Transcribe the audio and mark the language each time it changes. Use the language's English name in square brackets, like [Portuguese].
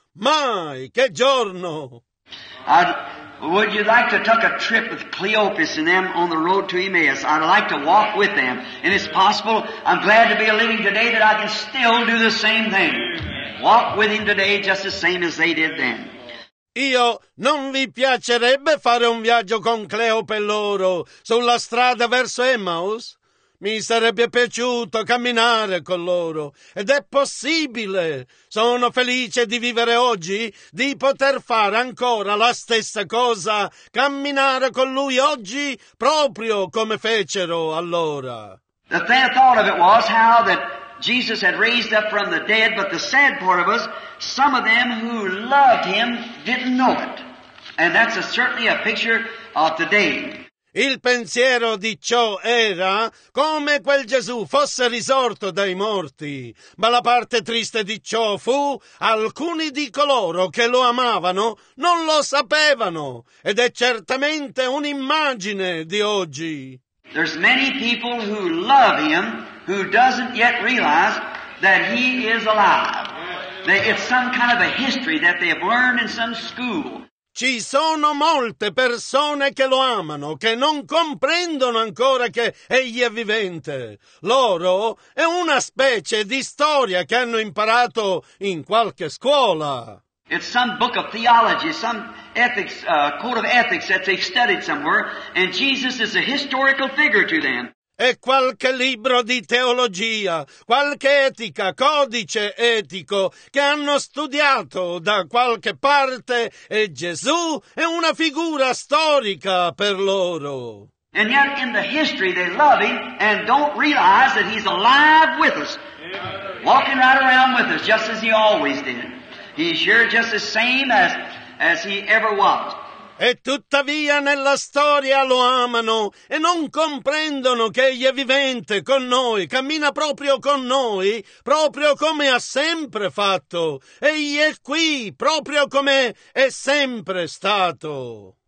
[Italian] My, che giorno! [English] Would you like to take a trip with Cleopas and them on the road to Emmaus? I'd like to walk with them. And it's possible, I'm glad to be a living today that I can still do the same thing. Walk with him today just the same as they did then. [Italian] Io non vi piacerebbe fare un viaggio con Cleope e loro sulla strada verso Emmaus? mi sarebbe piaciuto camminare con loro. Ed è possibile! Sono felice di vivere oggi, di poter fare ancora la stessa cosa, camminare con lui oggi, proprio come fecero allora. [English] The sad thought of it was how that Jesus had raised up from the dead, but the sad part of us, some of them who loved him didn't know it. And that's certainly a picture of today. [Italian] Il pensiero di ciò era come quel Gesù fosse risorto dai morti, ma la parte triste di ciò fu alcuni di coloro che lo amavano non lo sapevano, ed è certamente un'immagine di oggi. [English] There's many people who love him who doesn't yet realize that he is alive. It's some kind of a history that they have learned in some school. [Italian] Ci sono molte persone che lo amano, che non comprendono ancora che egli è vivente. Loro è una specie di storia che hanno imparato in qualche scuola. [English] It's some book of theology, some ethics, code of ethics that they've studied somewhere, and Jesus is a historical figure to them. [Italian] È qualche libro di teologia, qualche etica, codice etico che hanno studiato da qualche parte e Gesù è una figura storica per loro. [English] And yet in the history they love him and don't realize that he's alive with us, walking right around with us just as he always did. He's here just the same as he ever was. [Italian] E tuttavia nella storia lo amano e non comprendono che egli è vivente con noi, cammina proprio con noi, proprio come ha sempre fatto. Egli è qui, proprio come è sempre stato.